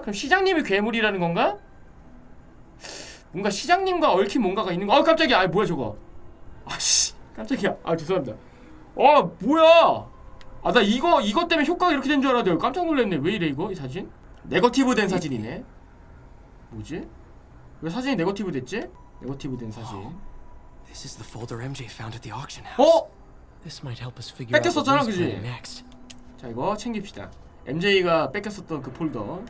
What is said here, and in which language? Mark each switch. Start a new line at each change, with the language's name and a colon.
Korean: 그럼 시장님이 괴물이라는 건가? 뭔가 시장님과 얽힌 뭔가가 있는 거. 아 갑자기, 아 뭐야 저거. 아씨 깜짝이야. 아 죄송합니다. 아 뭐야. 아 나 이거 때문에 효과가 이렇게 된 줄 알았대요. 깜짝 놀랐네. 왜 이래 이거, 이 사진. 네거티브 된 사진이네. 뭐지, 왜 사진이 네거티브 됐지? 네거티브 된 사진.
English: This is the folder MJ found at the auction house. 어? This might help us figure out what's going next.
Korean: 자 이거 챙깁시다. MJ가 뺏겼었던 그 폴더.